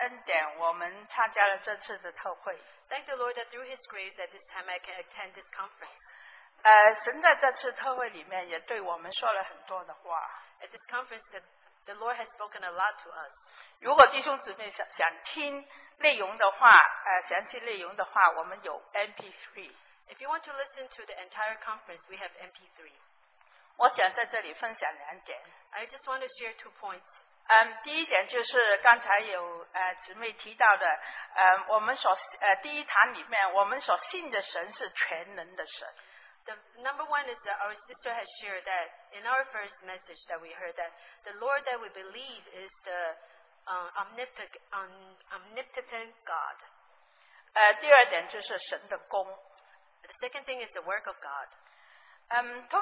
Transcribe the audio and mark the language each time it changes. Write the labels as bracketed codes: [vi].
[zh] 感谢主，这次靠着他的恩典，我们参加了这次的特会。 [en] Thank the Lord that through His grace at this time I can attend this conference. [zh] 神在这次特会里面也对我们说了很多的话。 [en] At this conference, the Lord has spoken a lot to us. [zh] 如果弟兄姊妹想听内容的话，详细内容的话，我们有 MP3。 [en] If you want to listen to the entire conference, we have MP3. [zh] 我想在这里分享两点。 [en] I just want to share 2 points. [zh] 第一点就是刚才有姊妹提到的，我们所第一堂里面我们所信的神是全能的神。 [en] The number one is that our sister has shared that in our first message that we heard that the Lord that we believe is the omnipotent God. [zh] 第二点就是神的功。 [en] The second thing is the work of God.